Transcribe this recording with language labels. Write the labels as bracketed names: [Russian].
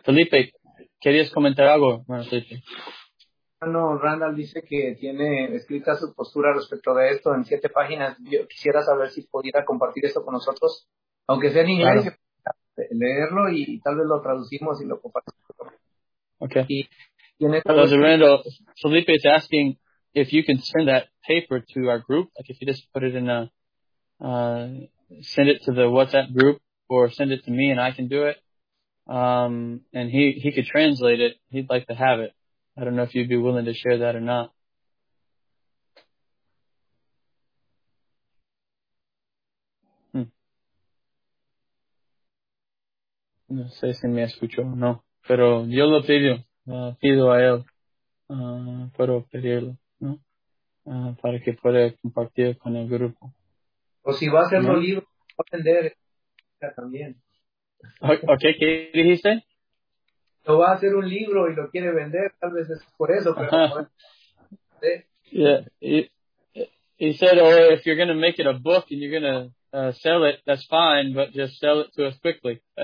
[Spanish] Felipe, ¿querías comentar algo? Bueno, Felipe. Bueno, Randall dice que tiene escrita su postura respecto de esto en 7 páginas. Yo quisiera saber si pudiera compartir esto con nosotros, aunque sea en inglés, claro. Leerlo y tal vez lo traducimos y lo compartimos. [English] Okay. [Spanish] Y [English] Randall, Felipe is asking if you can send that paper to our group, like if you just put it in a send it to the WhatsApp group or send it to me and I can do it. And he could translate it. He'd like to have it. I don't know if you'd be willing to share that or not. [Spanish] No sé si me escuchó o no. Pero yo lo pido. Pido a él. Puedo pedirlo, ¿no? Para que pueda compartir con el grupo. O si va a ser un libro, va a vender también. Okay, ¿qué dijiste? Lo va a hacer un libro y lo quiere vender, tal vez es por eso, pero bueno. Yeah. [English] He said, if you're going to make it a book and you're going to sell it, that's fine, but just sell it to us quickly.